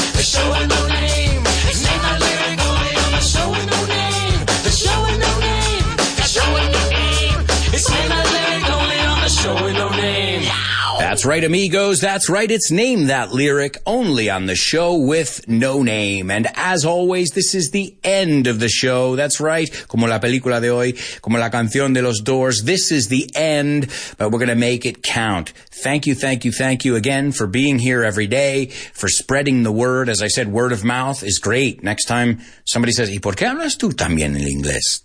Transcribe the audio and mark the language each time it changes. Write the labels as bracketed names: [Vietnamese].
[English] The show with no name. Name that lyric. Only on the show with no name. The show with no name. The show with no name. It's name that lyric. Only on the show with no name. That's right, amigos. That's right. It's Name That Lyric, only on the show with no name. And as always, this is the end of the show. That's right. [Spanish] Como la película de hoy, como la canción de los Doors. [English] This is the end, but we're going to make it count. Thank you, thank you, thank you again for being here every day, for spreading the word. As I said, word of mouth is great. Next time somebody says, [Spanish] ¿y por qué hablas tú también en inglés?